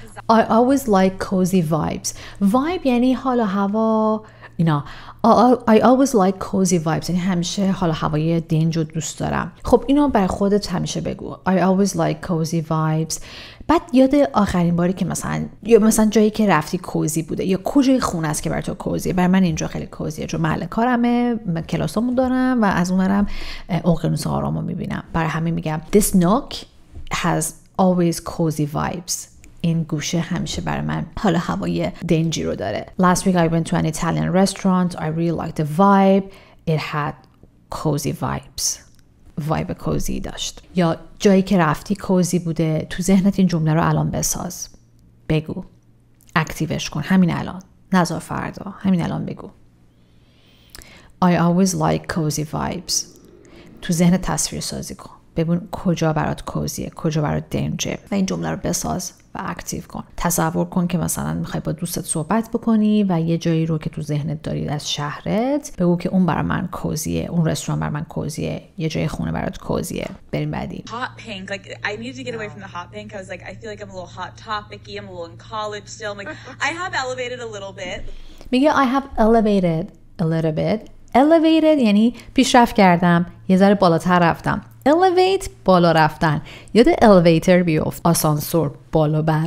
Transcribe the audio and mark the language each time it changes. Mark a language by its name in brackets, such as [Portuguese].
[English] I always like cozy vibes. [Persian] Vibe یعنی حال و هوا. [English] اینا I always like cozy vibes. [Persian] یعنی همیشه حال و هوای دنج رو دوست دارم. خب اینو برای خودت همیشه بگو. [English] I always like cozy vibes. [Persian] بعد یاد آخرین باری که مثلا جایی که رفتی کوزی بوده یا کجای خونه است که برای تو کوزی. برای من اینجا خیلی کوزیه چون محل کارمه، کلاسامو دارم و از اونورم اقیانوس آرامو میبینم. برای همین میگم [English] this nook has always cozy vibes. [Persian] این گوشه همیشه برای من حال هوای دنجی رو داره. [English] Last week I went to an Italian restaurant. I really liked the vibe. It had cozy vibes. [Persian] وایب کوزی داشت. یا جایی که رفتی کوزی بوده، تو ذهنت این جمله رو الان بساز، بگو، اکتیوش کن همین الان، نذار فردا، همین الان بگو. [English] I always like cozy vibes. [Persian] تو ذهنت تصویر سازی کن، ببین کجا برات کوزیه، کجا برات دنجه، و این جمله رو بساز و اکتیو کن. تصور کن که مثلا میخوای با دوستت صحبت بکنی و یه جایی رو که تو ذهنت دارید از شهرت بگو که اون برای من کوزیه، اون رستوران برای من کوزیه، یه جای خونه برات کوزیه. بریم بعدی. [English] Hot pink. Like I need to get away from the hot pink. I was like I feel like I'm a little hot topic-y. I'm a little in college still. I'm like I have elevated a little bit. میگه I have elevated a little bit. [Persian] Elevated یعنی پیشرفت کردم، یه ذره بالاتر رفتم. Elevate بالا رفتن. یاد elevator بیفت، آسانسور بالا بر.